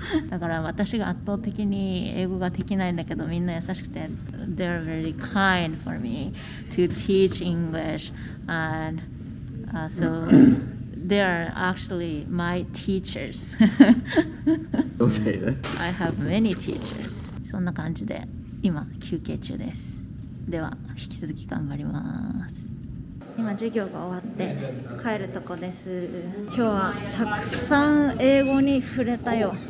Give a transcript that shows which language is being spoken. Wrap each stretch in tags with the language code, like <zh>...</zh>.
<ja>だから私が圧倒的に英語ができないんだけど、みんな優しくて、</ja> <en>they're very kind for me to teach English. And so. They are actually my teachers. Don't say that. I have many teachers.</en> <ja>そんな感じで今休憩中です。では引き続き頑張ります。今授業が終わって帰るとこです。今日はたくさん英語に触れたよ。</ja>